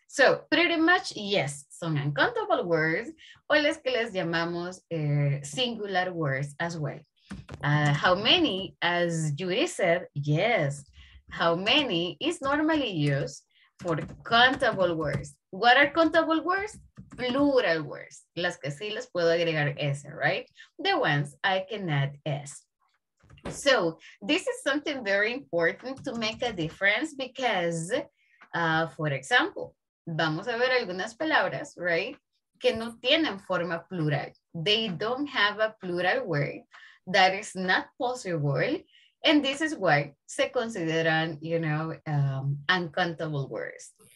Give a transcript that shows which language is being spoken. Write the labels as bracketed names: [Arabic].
[English] So pretty much, yes, son uncountable words, [Spanish] o las que les llamamos [English] singular words as well. How many, as Yuri said, yes. How many is normally used for countable words. What are countable words? Plural words. [Spanish] Las que sí les puedo agregar S, right? [English] The ones I can add S. So this is something very important to make a difference because, for example, [Spanish] vamos a ver algunas palabras, [English] right? [Spanish] Que no tienen forma plural. [English] They don't have a plural word. That is not possible. And this is why [Spanish] se consideran, [English] you know, uncountable words.